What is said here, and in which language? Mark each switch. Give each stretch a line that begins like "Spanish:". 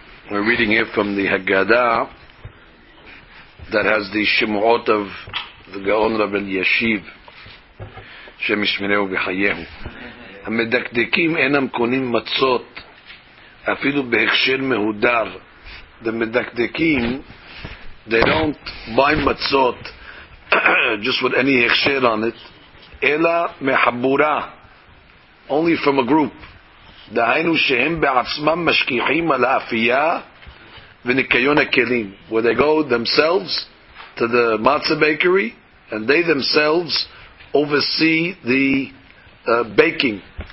English: We're reading here from the Haggadah that has the shemuot of the Gaon Rabbi Yashiv.
Hebrew: Shem Yishmereu v'chayehu. המדקדקים אינם קונים מצות אפילו בהכשר מהודר.
English: The medakdekim, they don't buy matzot just with any hechsher on it,
Hebrew: אלא מחבורה,
English: only from a group.
Hebrew: דהיינו שהם בעצמם משכיחים על האפייה וניקיון הכלים,
English: where they go themselves to the matzah bakery and they themselves oversee the baking.